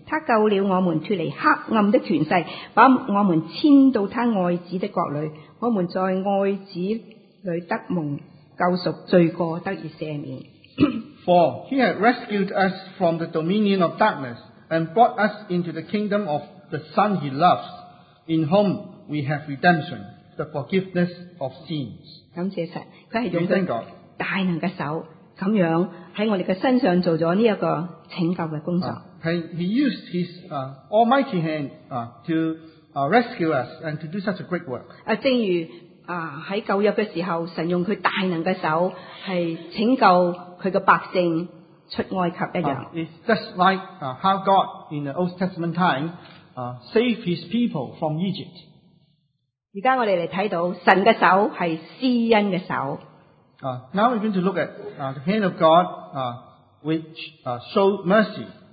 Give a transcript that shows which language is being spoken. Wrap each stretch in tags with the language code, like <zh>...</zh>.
<zh>他救了我们脱离黑暗的权势，把我们迁到他爱子的国里，我们在爱子里得蒙救赎，罪过得以赦免。</zh> <en>For he had rescued us from the dominion of darkness and brought us into the kingdom of the Son he loves, in whom we have redemption, the forgiveness of sins.</en> <zh>感谢神，他是用着大能的手，这样在我们的身上做了这个拯救的工作。</zh> <en>He used his almighty hand to rescue us and to do such a great work.</en> <zh>正如在旧约的时候，神用他大能的手是拯救他的百姓出埃及一样。</zh> <en>It's just like how God in the Old Testament time saved his people from Egypt.</en> <zh>现在我们来看到神的手是施恩的手。</zh> <en>Now we're going to look at the hand of God which showed mercy.</en>